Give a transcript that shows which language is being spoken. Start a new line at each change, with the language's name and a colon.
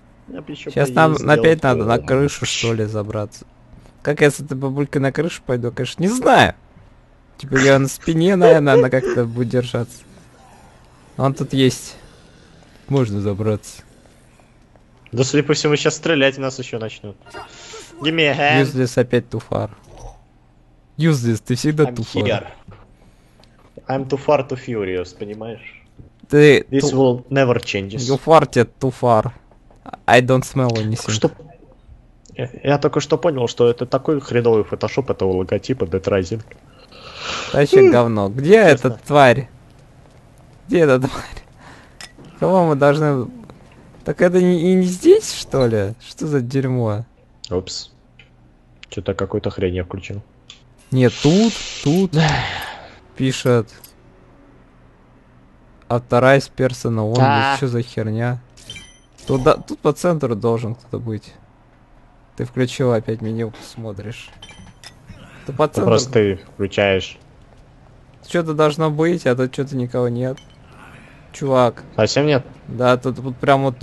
Russian: Сейчас нам опять надо на крышу, что ли, забраться. Как я с этой бабулькой на крышу пойду, конечно, не знаю. Типа я на спине, наверное, она как-то будет держаться. Он тут есть. Можно забраться. Да, судя по всему, сейчас стрелять нас еще начнут.
English: Give me a hand. Useless
Russian: опять
English: too far. Useless,
Russian: ты всегда
English: too far. I'm here. I'm too far too furious,
Russian: понимаешь? Ты...
English: This will never changes. You farted too far. I don't smell anything.
Russian: Что? Я только что понял, что это такой хреновый фотошоп этого логотипа Dead Rising. Вообще говно. Где эта тварь? Где эта тварь? Кого мы должны... Так это не здесь, что ли? Что за дерьмо? Опс. Что-то какую-то хрень я включил. Нет, тут. Пишет.
English: Authorized person only.
Russian: Что за херня? Тут по центру должен кто-то быть. Ты включил опять меню, посмотришь. По центру... Просто ты включаешь. Что-то должно быть, а тут что-то никого нет. Чувак. Совсем нет? Да, тут прямо тут.